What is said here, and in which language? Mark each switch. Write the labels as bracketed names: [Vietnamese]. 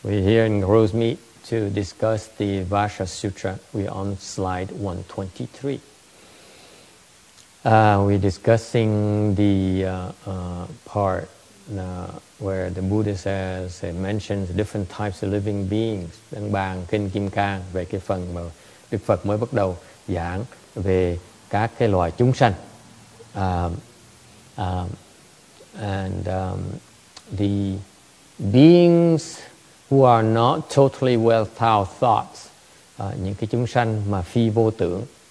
[English] We're here in Gurus Meet to discuss the Vajra Sutra. We're on slide 123. We're discussing the part where the Buddha says, he mentions different types of living beings. [Vietnamese] Đăng bàn kinh Kim Cang về cái phần mà Đức Phật mới bắt đầu giảng về các cái loài chúng sanh. [English] The beings who are not totally without thoughts, [Vietnamese] những cái chúng sanh mà phi vô tưởng,